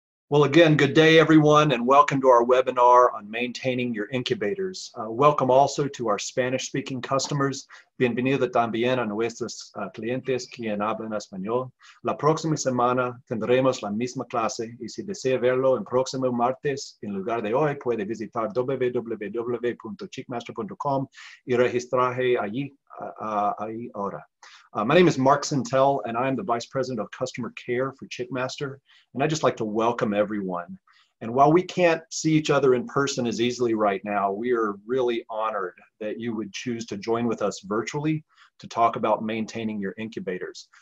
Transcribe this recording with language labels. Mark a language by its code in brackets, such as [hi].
[en] Well, again, good day, everyone, and welcome to our webinar on maintaining your incubators. Welcome also to our Spanish-speaking customers. [es] Bienvenido también a nuestros clientes quien hablan español. La próxima semana tendremos la misma clase, y si desea verlo el próximo martes en lugar de hoy, puede visitar www.chicmaster.com y registrarse allí. [en] My name is Mark Sintel, and I am the Vice President of Customer Care for Chicmaster, and I'd just like to welcome everyone. And while we can't see each other in person as easily right now, we are really honored that you would choose to join with us virtually to talk about maintaining your incubators.